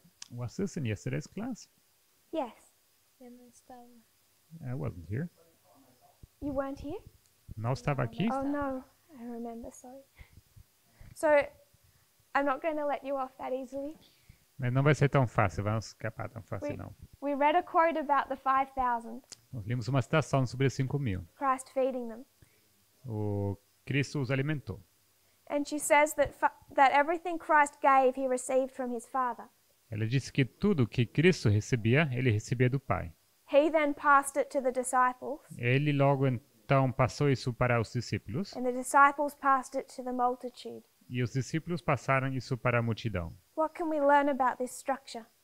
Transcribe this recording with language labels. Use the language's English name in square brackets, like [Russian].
[English] Was this in yesterday's class? Yes. I wasn't here. You weren't here? [Portuguese] Não estava aqui? [English] Oh no, I remember, sorry. So, I'm not going to let you off that easily. [Portuguese] Mas não vai ser tão fácil, vamos escapar tão fácil não. [English] We read a quote about the 5,000. [Portuguese] Nós lemos uma citação sobre os 5,000. [English] Christ feeding them. [Portuguese] O Cristo os alimentou. [English] And she says that everything Christ gave, he received from his Father. [Portuguese] Ela disse que tudo que Cristo recebia, ele recebia do Pai. [English] He then passed it to the disciples. [Portuguese] Ele logo então passou isso para os discípulos. [English] And the disciples passed it to the multitude. [Portuguese] E os discípulos passaram isso para a multidão. [English] What can we learn about this structure?